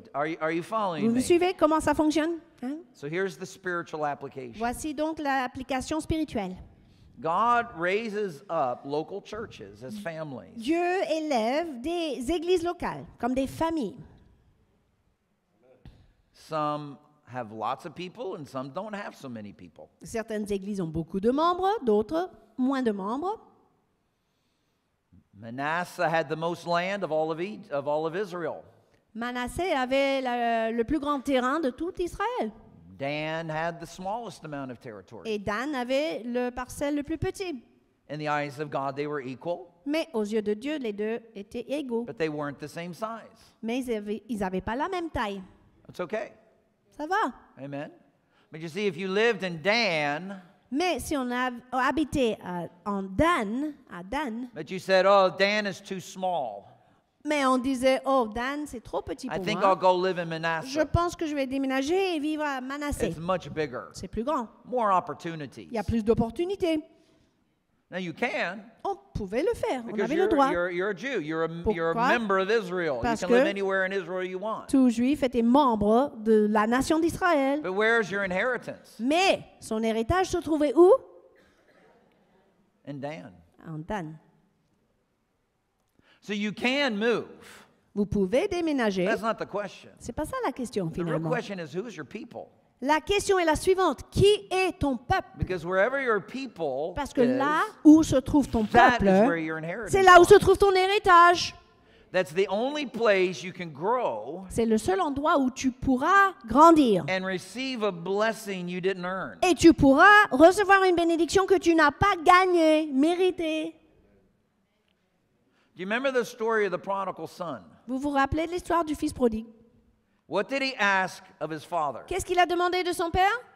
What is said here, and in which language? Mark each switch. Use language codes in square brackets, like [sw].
[en] Are you following [fr] Vous [en] me? [fr] Suivez comment ça fonctionne? Hein? [en] So here's the spiritual application. [fr] Voici donc l'application spirituelle. [en] God raises up local churches as families. [fr] Dieu élève des églises locales comme des familles. [en] Some have lots of people and some don't have so many people. [fr] Certaines églises ont beaucoup de membres, d'autres moins de membres. [en] Manasseh had the most land of all of Israel. [fr] Manasseh avait le plus grand terrain de tout Israël. [en] Dan had the smallest amount of territory. [fr] Et Dan avait le parcelle le plus petit. [en] In the eyes of God, they were equal. [fr] Mais aux yeux de Dieu, les deux étaient égaux. [en] But they weren't the same size. [fr] Mais ils avaient pas la même taille. [en] It's okay. [fr] Ça va. [en] Amen. But you see, if you lived in Dan. [fr] Mais si on habitait en Dan, à Dan. [en] But you said, oh, Dan is too small. [fr] Mais on disait, oh, Dan, c'est trop petit pour [en] I think [fr] moi. [en] I'll go live in Manasseh. [fr] Je pense que je vais déménager et vivre à Manasseh. [en] It's much bigger. [fr] C'est plus grand. [en] More opportunities. [fr] Il y a plus d'opportunités. [en] Now you can. [fr] On pouvait le faire. [en] Because [fr] on avait le droit. [en] You're a Jew. You're a member of Israel. [fr] Parce [en] you can live anywhere in Israel you want. [fr] Tout juif était membre de la nation d'Israël. [en] But where is your inheritance? [fr] Mais son héritage se trouvait où? [en] In Dan. [fr] En Dan. [en] So you can move. [fr] Vous pouvez déménager. [en] That's not the question. [fr] C'est pas ça la question finalement. [en] The real question is who is your people? [fr] La question est la suivante. Qui est ton peuple? [en] Because wherever your people [fr] Parce que [en] is, [fr] là où se trouve ton peuple, [en] that is where your inheritance [fr] c'est là où se trouve ton héritage. [en] That's the only place you can grow [fr] c'est le seul endroit où tu pourras grandir. [en] And receive a blessing you didn't earn. [fr] Et tu pourras recevoir une bénédiction que tu n'as pas gagnée, méritée. [en] Do you remember the story of the prodigal son? [fr] Vous vous rappelez de l'histoire du fils prodigue? [en] What did he ask of his father? [fr] Qu'est-ce qu'il a demandé de son père?